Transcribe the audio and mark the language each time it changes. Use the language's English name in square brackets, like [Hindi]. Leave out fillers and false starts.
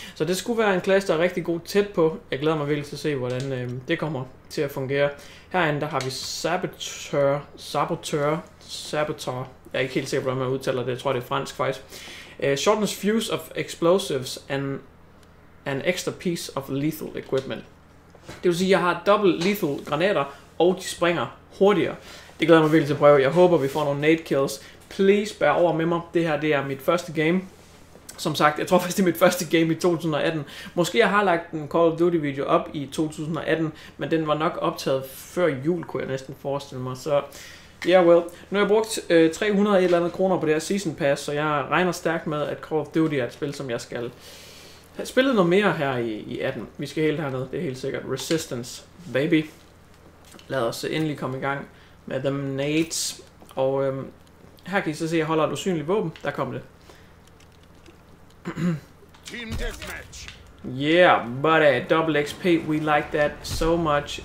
[Danish] Så det skulle være en klasse, der er rigtig god tæt på. Jeg glæder mig virkelig til at se, hvordan det kommer til at fungere. Herinde, der har vi Saboteur. Jeg er ikke helt sikker, hvordan man udtaler det. Jeg tror, det er fransk faktisk. [English] Shortens fuse of explosives and an extra piece of lethal equipment. [Danish] Det vil sige, at jeg har dobbelt lethal granater, og de springer hurtigere. Det glæder mig virkelig til at prøve. Jeg håber, vi får nogle nade kills. Please, bær over med mig. Det her, det er mit første game. Som sagt, jeg tror faktisk, det er mit første game i 2018. Måske jeg har lagt en Call of Duty video op i 2018, men den var nok optaget før jul, kunne jeg næsten forestille mig. Så, yeah well. Nu har jeg brugt 300 eller andet kroner på det her season pass, så jeg regner stærkt med, at Call of Duty er et spil, som jeg skal spille noget mere her i 18. Vi skal helt hernede, det er helt sikkert. Resistance, baby. Lad os endelig komme i gang med The Nades. Og her kan I så se, at jeg holder et usynligt våben. Der kom det. Team deathmatch. [English] Yeah, buddy, double XP, we like that so much.